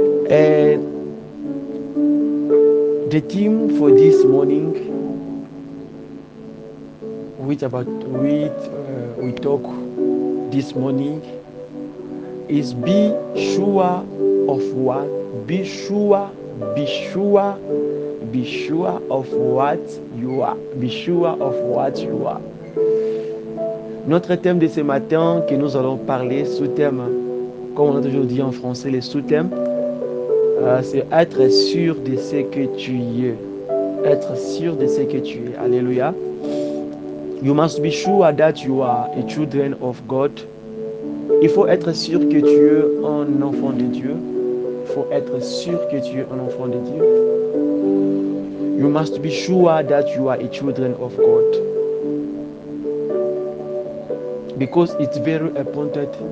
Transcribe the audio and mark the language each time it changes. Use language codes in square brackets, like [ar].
[en] And the theme for this morning, we talk this morning, is be sure of what you are. [fr] Notre thème de ce matin que nous allons parler, sous-thème, comme on a toujours dit en français, les sous-thèmes. C'est être sûr de ce que tu es. Être sûr de ce que tu es. Alléluia. [en] You must be sure that you are a children of God. [fr] Il faut être sûr que tu es un enfant de Dieu. Il faut être sûr que tu es un enfant de Dieu. [en] You must be sure that you are a children of God. Because it's very important.